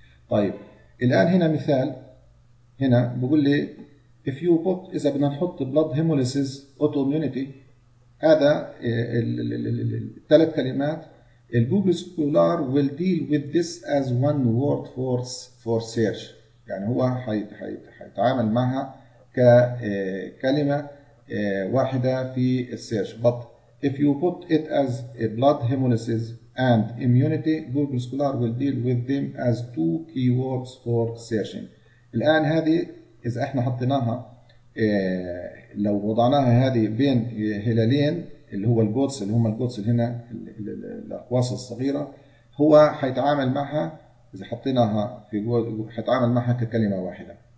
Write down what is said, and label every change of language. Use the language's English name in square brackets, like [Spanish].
[Arabic] طيب الان هنا مثال، هنا بقول لي [English] if you put، [Arabic] اذا بدنا نحط blood hemolysis autoimmunity، هذا الثلاث كلمات الجوجل سكولار [English] will deal with this as one word for search، [Arabic] يعني هو حيتعامل معها ككلمه واحده في السيرش. [English] but if you put it as a blood hemolysis and immunity Google Scholar will deal with them as two keywords for searching. [Arabic] الآن هذه إذا إحنا حطيناها لو وضعناها هذه بين هلالين اللي هو الجوتس اللي هم الجوتس اللي هنا الأقواس الصغيرة، هو حيتعامل معها إذا حطيناها في حيتعامل معها ككلمة واحدة.